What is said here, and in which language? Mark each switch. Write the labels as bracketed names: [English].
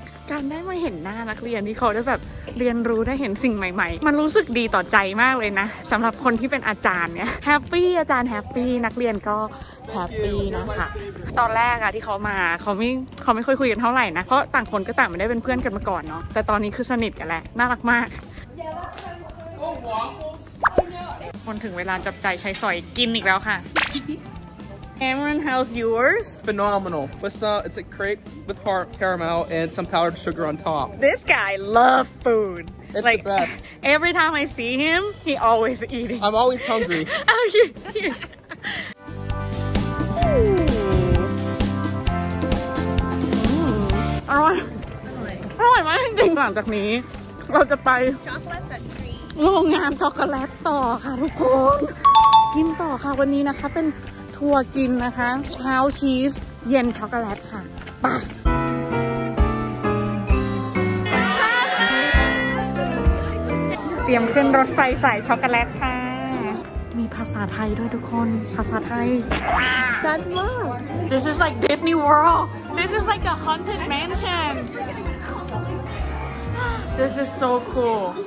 [Thai] การได้มาเห็นหน้านักเรียนที่เขาได้แบบเรียนรู้ได้เห็นสิ่งใหม่ๆมันรู้สึกดีต่อใจมากเลยนะสำหรับคนที่เป็นอาจารย์เนี่ยแฮปปี้อาจารย์แฮปปี้นักเรียนก็แฮปปี้นะคะตอนแรกอะที่เขามาเขาไม่ค่อยคุยกันเท่าไหร่นะเพราะต่างคนก็ต่างไม่ได้เป็นเพื่อนกันมาก่อนเนาะแต่ตอนนี้คือสนิทกันแล้วน่ารักมากคนถึงเวลาจับใจใช้สอยกินอีกแล้วค่ะ [English] Cameron, how's yours? Phenomenal. It's a crepe with heart, caramel, and some powdered sugar on top. This guy loves food. It's like, the best. Every time I see him, he always eating. I'm always hungry. Oh, yeah. Oh, my God. After this, we're going to factory. Chocolate factory. Chocolate factory. Chocolate factory. Chocolate factory. Chocolate factory. [Thai] ทัวร์กินนะคะเช้าชีสเย็นช็อกโกแลตค่ะไปเตรียมขึ้นรถไฟสายช็อกโกแลตค่ะมีภาษาไทยด้วยทุกคนภาษาไทย สุดมาก [English] This is like Disney World This is like a haunted mansion This is so cool